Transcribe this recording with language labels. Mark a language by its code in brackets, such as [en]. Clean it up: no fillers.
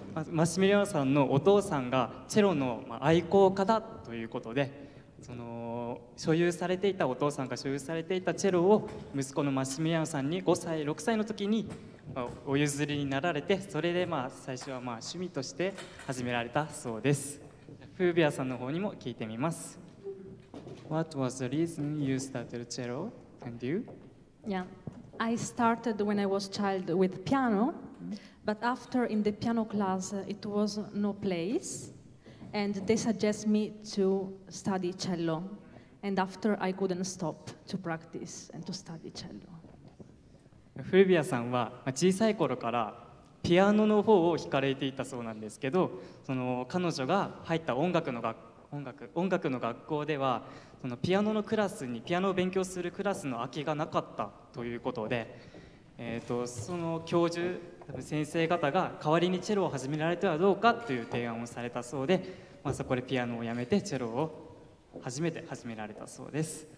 [ja] マシュミリアノさんのお父さんがチェロの愛好家だということで、その所有されていた、お父さんが所有されていたチェロを息子のマシュミリアノさんに5歳6歳の時にお譲りになられて、それでまあ最初はまあ趣味として始められたそうです。フービアさんの方にも聞いてみます。 [en] What was the reason you started cello? And you? Yeah, I started when I was child with piano, but after in the piano class it was no place, and they suggest me to study cello, and after I couldn't stop to practice and to study cello. [ja] フルビアさんは小さい頃からピアノの方を弾かれていたそうなんですけど、その彼女が入った音楽の学校ではそのピアノのクラスに、ピアノを勉強するクラスの空きがなかったということで、その教授、多分先生方が代わりにチェロを始められてはどうかという提案をされたそうで、まあ、そこでピアノをやめてチェロを初めて始められたそうです。